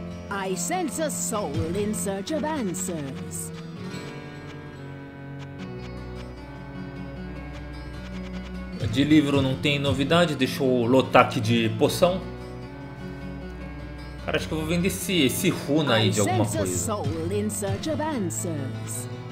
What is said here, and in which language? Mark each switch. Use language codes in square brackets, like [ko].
[en] I sense a soul in search of answers. [pt] De livro não tem novidade, deixa eu lotar aqui de poção. Cara, acho que eu vou vender esse runa aí de alguma coisa. [en] I sense a soul in search of answers.